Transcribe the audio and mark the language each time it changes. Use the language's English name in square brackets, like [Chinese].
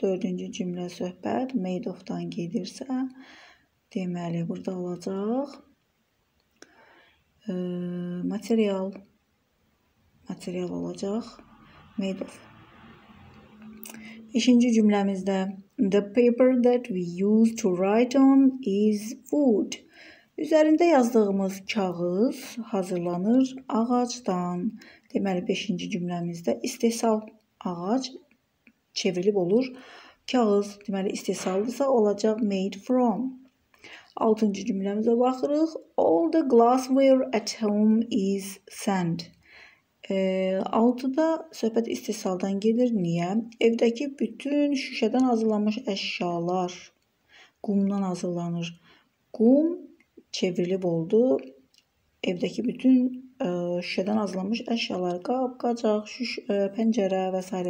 [Azerbaijani] Dördüncü cümlə söhbət made of-dan gedirsə, deməli, burada olacaq. Material. Material olacaq. Made of. İkinci cümləmizdə [English] The paper that we use to write on is wood. [Azerbaijani] Üzerinde yazdığımız kağız hazırlanır ağacdan. Deməli 5-ci cümləmizdə istehsal ağac çevrilib olur. Kağız deməli istehsaldırsa olacaq made from. 6-cı cümləmizə baxırıq. [English] All the glassware at home is sand. [Azerbaijani] 6-da söhbət istehsaldan gelir. Niyə? Evdəki bütün şüşədən hazırlanmış əşyalar qumdan hazırlanır. Qum çevrilib oldu. Evdəki bütün şüşədən hazırlanmış əşyalar, qab, qacaq, şüş, pəncərə və s.